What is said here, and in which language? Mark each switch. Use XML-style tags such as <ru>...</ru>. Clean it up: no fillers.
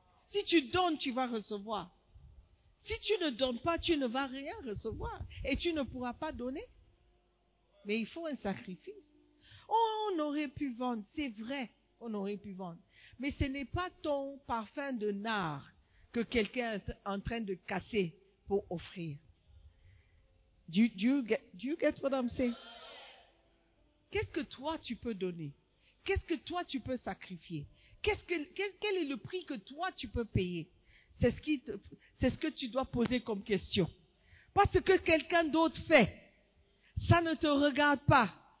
<fr>Si tu donnes, tu vas recevoir. Si tu ne donnes pas, tu ne vas rien recevoir. Et tu ne pourras pas donner. Mais il faut un sacrifice. Oh, on aurait pu vendre. C'est vrai, on aurait pu vendre. Mais ce n'est pas ton parfum de nard que quelqu'un est en train de casser pour offrir.</fr> <en>Do you get what I'm saying?</en> <fr>Qu'est-ce que toi tu peux donner? Qu'est-ce que toi tu peux sacrifier? Quel est le prix que toi tu peux payer? C'est ce que tu dois poser comme question. Pas ce que quelqu'un d'autre fait. Ça ne te regarde pas.</fr>